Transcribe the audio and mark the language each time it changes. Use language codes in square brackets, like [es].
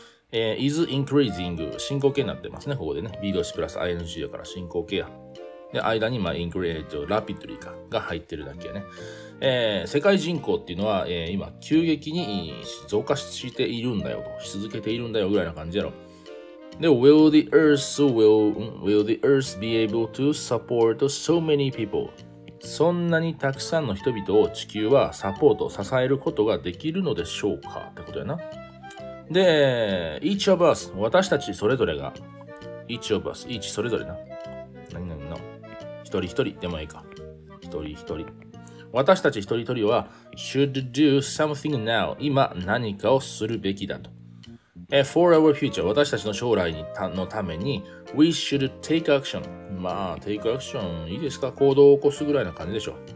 [en] is increasing [ja] 進行形になってますね。ここでね、be 動詞プラス ing やから進行形や。で、間にまあ [en] increase rapidly [ja] かが入ってるだけやね。世界人口っていうのは、今急激に増加しているんだよと、し続けているんだよぐらいな感じやろ。 [en] で、will the earth be able to support so many people? [ja] そんなにたくさんの人々を地球はサポート、支えることができるのでしょうかってことやな。で、 [en] each of us、 [ja] 私たちそれぞれが、each of us、each それぞれな。何々の、一人一人でもいいか。一人一人。私たち一人一人は、 [en] should do something now、 [ja] 今何かをするべきだと。 [en] For our future、 [ja] 私たちの将来のために、 [en] we should take action。 [ja] まあ、 [en] take action [ja] いいですか、行動を起こすぐらいな感じでしょ。